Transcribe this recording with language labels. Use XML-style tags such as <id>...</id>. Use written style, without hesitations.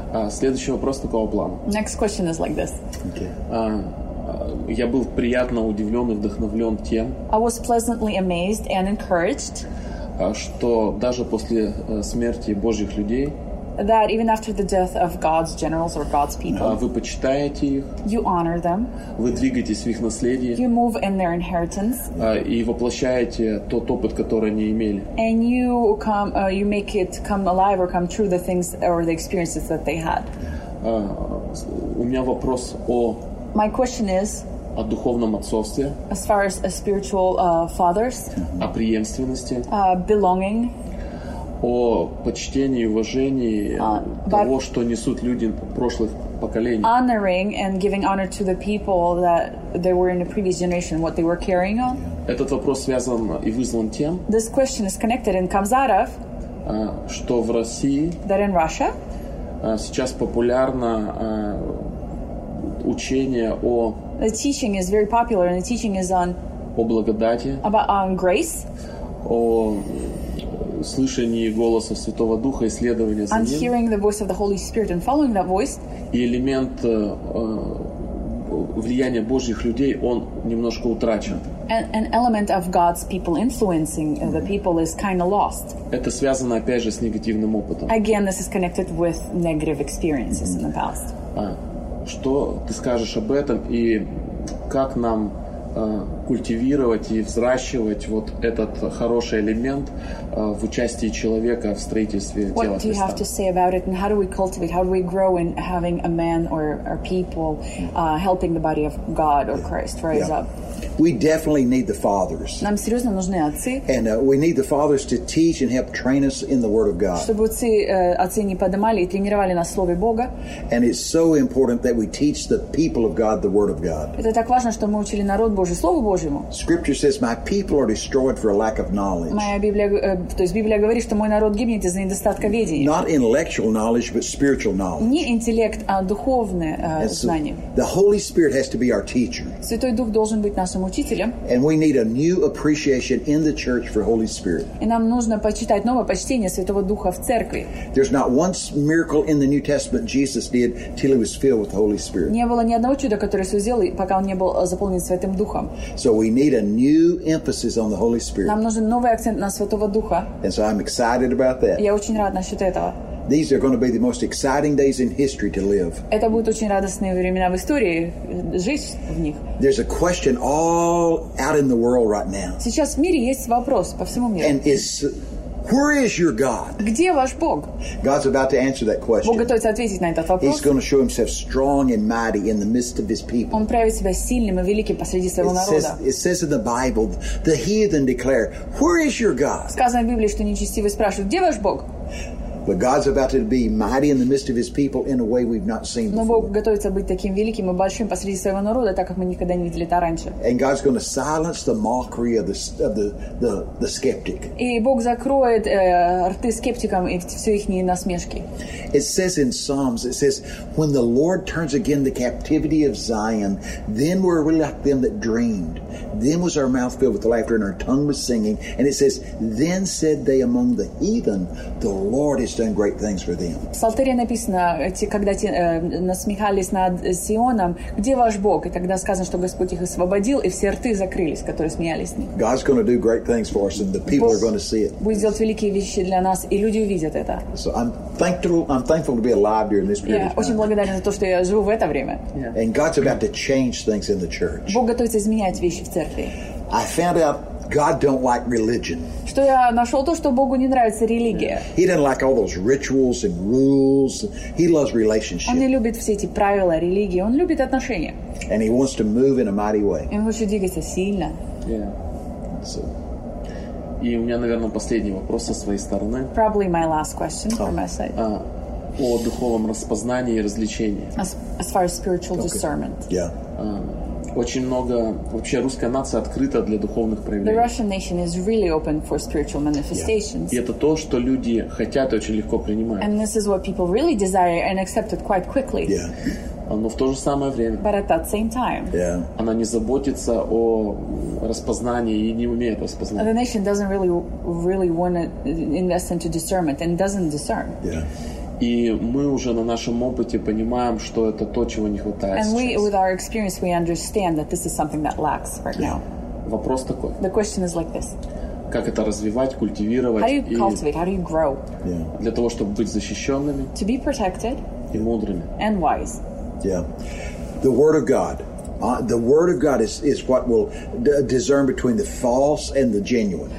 <ru>Следующий вопрос такого плана.</ru> <en>Next question is like this.</en> <ru>Okay. Я был приятно удивлен и вдохновлен тем,</ru> <en>I was pleasantly amazed and encouraged,</en> <ru>что даже после смерти Божьих людей,</ru> <en>that even after the death of God's generals or God's people,</en> <ru>вы почитаете их,</ru> <en>you honor them,</en> <ru>вы двигаетесь в их наследие,</ru> <en>you move in their inheritance,</en> <ru>и воплощаете тот опыт, который они имели,</ru> <en>and you make it come alive or come true, the things or the experiences that they had.</en> <ru>У меня вопрос о</ru> <en>My question is,</en> <ru>о духовном отцовстве,</ru> <en>as far as a spiritual fathers,</en> <ru>о преемственности,</ru> <en>belonging,</en> <ru>о почтении и уважении того, что несут люди прошлых поколений.</ru> <en>Honoring and giving honor to the people that they were in the previous generation, what they were carrying on.</en> <ru>Этот вопрос связан и вызван тем,</ru> <en>this question is connected and comes out of,</en> <ru>что в России,</ru> <en>that in Russia,</en> <ru>сейчас популярно учение о,</ru> <en>the teaching is very popular, and the teaching is on,</en> <ru>о благодати,</ru> <en>about on grace,</en> <ru>о слышание голоса Святого Духа, исследование за ним.</ru> <en>On hearing the voice of the Holy Spirit and following that voice.</en> <ru>И элемент влияния Божьих людей, он немножко утрачен.</ru> <en>An element of God's people influencing the people is kind of lost.</en> <ru>Это связано, опять же, с негативным опытом.</ru> <en>Again, this is connected with negative experiences in the past.</en> <ru>Что ты скажешь об этом и как нам культивировать и взращивать вот этот хороший элемент в участии человека в строительстве тела Христа.</ru> <en>What do you have to say about it, and how do we cultivate, how do we grow in having a man or people helping the body of God or Christ rise up? We definitely need the fathers.</en> <ru>Нам серьезно нужны отцы.</ru> <en>And we need the fathers to teach and help train us in the Word of God.</en> <ru>Чтобы отцы не поднимали и тренировали нас в Слове Бога.</ru> <en>And it's so important that we teach the people of God the Word of God.</en> <ru>Это так важно, что мы учили народ Божий Слову Божьему.</ru> <en>Scripture says, "My people are destroyed for a lack of knowledge."</en> <ru>Моя Библия, то есть Библия говорит, что мой народ гибнет из-за недостатка ведения.</ru> <en>Not intellectual knowledge, but spiritual knowledge.</en> <ru>Не интеллект, а духовное знание.</ru> <en>The Holy Spirit has to be our teacher.</en> <ru>Святой Дух должен быть нашим учителем.</ru> <en>And we need a new appreciation in the church for Holy Spirit.</en> <ru>И нам нужно почитать новое почтение Святого Духа в церкви.</ru> <en>There's not one miracle in the New Testament Jesus did till he was filled with the Holy Spirit.</en> <ru>Не было ни одного чуда, которое Иисус сделал, пока он не был заполнен Святым Духом.</ru> <en>So we need a new emphasis on the Holy Spirit.</en> <ru>Нам нужен новый акцент на Святого Духа.</ru> <en>And so I'm excited about that.</en> <ru>Я очень рад насчет этого.</ru> <en>These are going to be the most exciting days in history to live.</en> <ru>Это будут очень радостные времена в истории, жизнь в них.</ru> <en>There's a question all out in the world right now.</en> <ru>Сейчас в мире есть вопрос по всему миру.</ru> <en>And is where is your God?</en> <ru>Где ваш Бог?</ru> <en>God's about to answer that question.</en> <ru>Бог готовится ответить на этот вопрос.</ru> <en>He's going to show himself strong and mighty in the midst of his people.</en> <ru>Он проявит себя сильным и великим посреди своего народа.</ru> <en>It says in the Bible, the heathen declare, "Where is your God?"</en> <ru>Сказано в Библии, что нечестивые спрашивают, где ваш Бог?</ru> <en>But God's about to be mighty in the midst of his people in a way we've not seen before.</en> <ru>Но Бог готовится быть таким великим и большим посреди своего народа, так как мы никогда не видели это раньше.</ru> <en>And God's going to silence the mockery of the skeptic.</en> <ru>И Бог закроет рты скептикам и все их насмешки.</ru> <en>It says in Psalms, it says, when the Lord turns again the captivity of Zion, then were we like them that dreamed. Then was our mouth filled with laughter and our tongue was singing. And it says, then said they among the heathen, the Lord is doing great things for them.</en> <ru>В Псалтире написано, когда те насмехались над Сионом, где ваш Бог? И тогда сказано, что Господь их освободил, и все рты закрылись, которые смеялись с ним.</ru> <en>God's going to do great things for us, and the people are going to see it.</en> <ru>Будет делать великие вещи для нас, и люди увидят это.</ru> <en>So I'm thankful to be alive during this period.</en> <ru>Я очень благодарен за то, что я живу в это время.</ru> <en>And God's about to change things in the church.</en> <ru>Бог готовится изменять вещи в церкви.</ru> <en>I found out God don't like religion.</en> <ru>Что я нашел то, что Богу не нравится религия.</ru> <en>He doesn't like all those rituals and rules. He loves relationships.</en> <ru>Он не любит все эти правила религии. Он любит отношения.</ru> <en>And he wants to move in a mighty way.</en> <ru>Он хочет двигаться сильно.</ru> <en>Yeah. So.</en> <ru>И у меня, наверное, последний вопрос со своей стороны.</ru> <en>Probably my last question from my side.</en> <ru>О духовном распознании и развлечении.</ru> <en>As far as spiritual discernment. Okay. Yeah.</en> <ru>Очень много... Вообще русская нация открыта для духовных проявлений.</ru> <en>The Russian nation is really open for spiritual manifestations. Yeah.</en> <ru>И это то, что люди хотят и очень легко принимают.</ru> <en>And this is what people really desire and accept it quite quickly. Yeah.</en> <ru>Но в то же самое время...</ru> <en>But at that same time. Yeah.</en> <ru>Она не заботится о распознании и не умеет распознать.</ru> <en>The nation doesn't really want to invest into discernment and doesn't discern. Yeah.</en> <ru>И мы уже на нашем опыте понимаем, что это то, чего не хватает.</ru> <en>And we, with our experience, we understand that this is something that lacks right now.</en> <ru>Вопрос такой.</ru> <en>The question is like this.</en> <ru>Как это развивать, культивировать?</ru> <en>How do you cultivate? How do you grow? Yeah.</en> <ru>Для того, чтобы быть защищенными.</ru> <en>To be protected.</en> <ru>И мудрыми.</ru> <en>And wise. Yeah. The word of God. The word of God is what will discern between the false and the genuine.</en>